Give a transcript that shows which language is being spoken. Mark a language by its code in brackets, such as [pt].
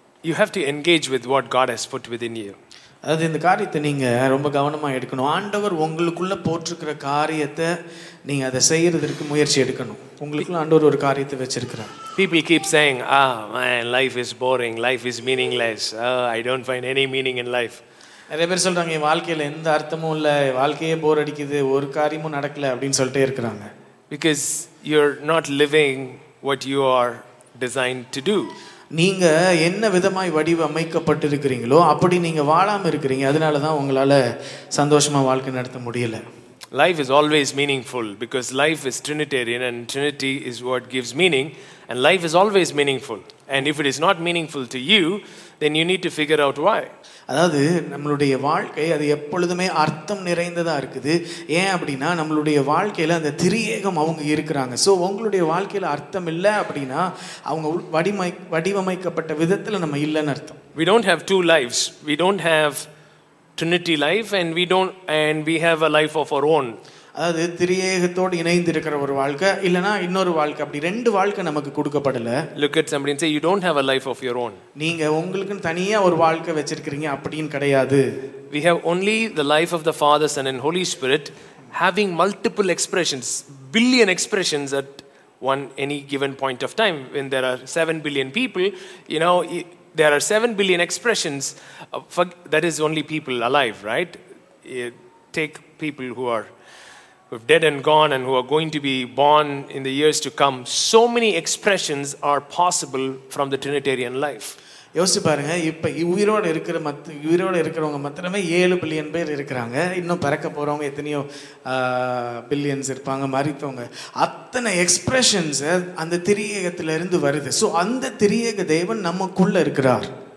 [en] You have to engage with what God has put within you. [ta] அதாவது இந்த காரியத்தை நீங்கள் ரொம்ப கவனமாக எடுக்கணும். ஆண்டவர் உங்களுக்குள்ளே போட்டிருக்கிற காரியத்தை நீங்கள் அதை செய்கிறதுக்கு முயற்சி எடுக்கணும். உங்களுக்குள்ள ஆண்டவர் ஒரு காரியத்தை வச்சிருக்கிறார். [en] People keep saying, ah, my life is boring, life is meaningless, I don't find any meaning in life. [ta] நிறைய பேர் சொல்கிறாங்க என் வாழ்க்கையில் எந்த அர்த்தமும் இல்லை, வாழ்க்கையே போர் அடிக்குது, ஒரு காரியமும் நடக்கலை அப்படின்னு சொல்லிட்டே இருக்கிறாங்க. [en] Because you are not living what you are designed to do. [ta] நீங்கள் என்ன விதமாய் வடிவமைக்கப்பட்டிருக்கிறீங்களோ அப்படி நீங்கள் வாழாமல் இருக்கிறீங்க. அதனால தான் உங்களால் சந்தோஷமாக வாழ்க்கை நடத்த முடியல. [en] Life is always meaningful because life is trinitarian and trinity is what gives meaning and life is always meaningful and if it is not meaningful to you then you need to figure out why. [ta] அதாவது நம்மளுடைய வாழ்க்கை அது எப்பொழுதுமே அர்த்தம் நிறைந்ததாக இருக்குது. ஏன் அப்படின்னா நம்மளுடைய வாழ்க்கையில் அந்த திரியேகம் அவங்க இருக்கிறாங்க. ஸோ உங்களுடைய வாழ்க்கையில் அர்த்தம் இல்லை அப்படின்னா அவங்க வடிவமைக்கப்பட்ட விதத்தில் நம்ம இல்லைன்னு அர்த்தம். [en] We don't have two lives, we don't have trinity life and we have a life of our own. [ta] அதாவது திரியேகத்தோடு இணைந்து இருக்கிற ஒரு வாழ்க்கை இல்லனா இன்னொரு வாழ்க்கை, அப்படி ரெண்டு வாழ்க்கை நமக்கு கொடுக்கப்படலை. [en] Look at somebody and say you don't have a life of your own. [ta] நீங்க உங்களுக்குன்னு தனியா ஒரு வாழ்க்கை வச்சிருக்கீங்க அப்படின்னு கிடையாது. [en] We have only the life of the Father, Son and Holy Spirit having multiple expressions, billion expressions at one any given point of time. When there are 7 billion people, you know, there are 7 billion expressions for, that is only people alive, right? Take people who are who've dead and gone and who are going to be born in the years to come, so many expressions are possible from the trinitarian life. [ta] யோசி பாருங்க, இப்ப உயிரோடு இருக்கிற உயிரோடு இருக்கிறவங்க மட்டுமே 7 billion பேர் இருக்கிறாங்க. இன்னும் பிறக்க போறவங்க எத்தனையோ பில்லியன்ஸ் இருப்பாங்க, மரித்தவங்க. அத்தனை எக்ஸ்பிரஷன்ஸ் அந்த திரியேகத்துல இருந்து வருது. ஸோ அந்த திரியேக தேவன் நமக்குள்ள இருக்கிறார்.